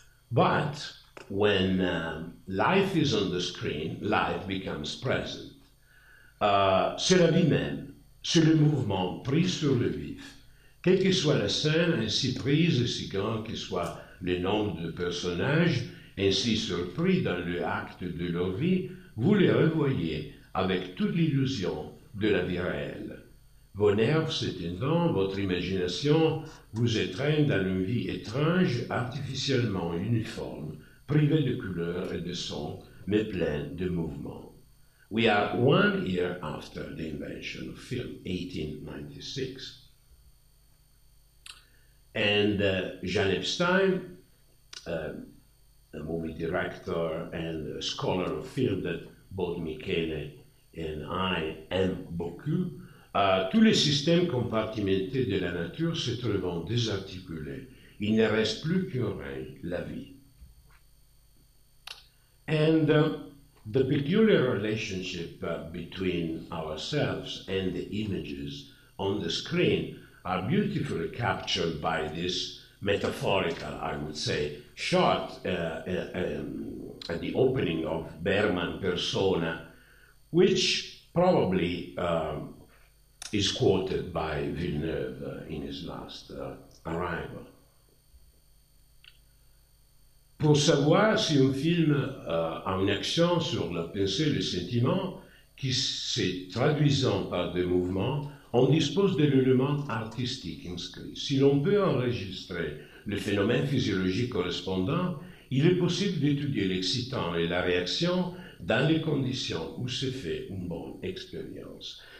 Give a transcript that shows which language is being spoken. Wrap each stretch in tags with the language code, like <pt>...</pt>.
<en>But when life is on the screen, life becomes present.</en> <fr>C'est la vie même, c'est le mouvement pris sur le vif. Quelle que soit la scène, ainsi prise et si grand que soit le nombre de personnages, ainsi surpris dans le acte de leur vie, vous les revoyez avec toute l'illusion de la vie réelle. Vos nerfs s'étendant, votre imagination vous étreint dans une vie étrange, artificiellement uniforme, privée de couleurs et de sons, mais pleine de mouvements.</fr> <en>We are 1 year after the invention of film, 1896. And Jean Epstein, a movie director and a scholar of film that both Michele and I</en> <fr>aime beaucoup, tous les systèmes compartimentés de la nature se trouvent désarticulés. Il ne reste plus qu'un règne, la vie.</fr> <en>And the peculiar relationship between ourselves and the images on the screen are beautifully captured by this metaphorical, I would say, shot at the opening of Berman Persona, which probably is quoted by Villeneuve in his last Arrival.</en> <fr>Pour savoir si un film a une action sur la pensée et le sentiment qui se traduisant par des mouvements, on dispose de l'élément artistique inscrit. Si l'on peut enregistrer le phénomène physiologique correspondant, il est possible d'étudier l'excitant et la réaction dans les conditions où se fait une bonne expérience.</fr>